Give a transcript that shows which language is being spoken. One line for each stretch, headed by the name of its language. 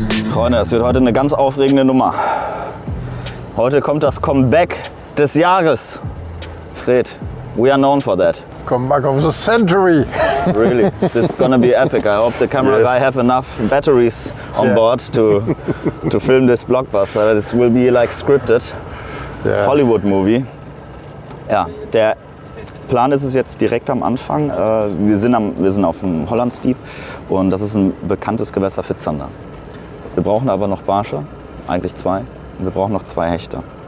German: Freunde, es wird heute eine ganz aufregende Nummer. Heute kommt das Comeback des Jahres.
English: Fred, we are known for that. Comeback of the century. Really, it's gonna be epic. I hope the camera guy have enough batteries on board to film this blockbuster. This will be like scripted Hollywood movie.
German: Ja, der Plan ist es jetzt direkt am Anfang. Wir sind auf dem Hollandsdieb und das ist ein bekanntes Gewässer für Zander. Wir brauchen aber noch Barsche, eigentlich 2, und wir brauchen noch 2 Hechte.